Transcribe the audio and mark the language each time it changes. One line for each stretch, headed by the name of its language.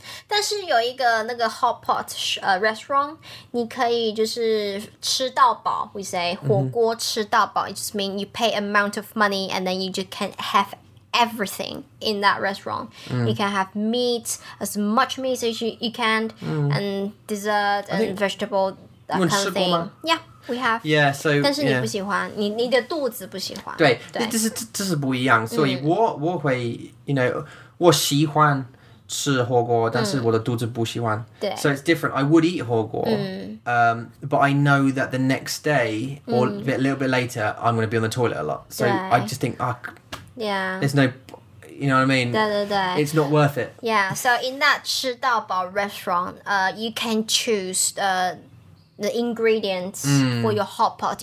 Chinese: 但是有一个那个
English: hot pot restaurant，
Chinese: 你可以就是吃到饱。
English: We say
Chinese: 火锅吃到饱
English: ，it just means you pay amount of money and then you just can have everything in that restaurant. You can have meat as much meat as you can, and dessert and vegetable that kind of thing. Yeah, we have. Yeah, so
Chinese: 但是你不喜欢，你的肚子不喜欢。对，这是不一样。所以我会 ，
English: you know，
Chinese: 我喜欢。吃火锅，但是我的肚子不喜欢。对。
English: So it's different. I would eat
Chinese: 火锅，
English: but I know that the next day, or a little bit later, I'm going to be on the toilet a lot. So I just think, there's no, you know what I mean?
Chinese: 对对对。
English: It's not worth it. Yeah, so in that
Chinese: 吃到饱
English: restaurant, you can choose the ingredients for your hot pot.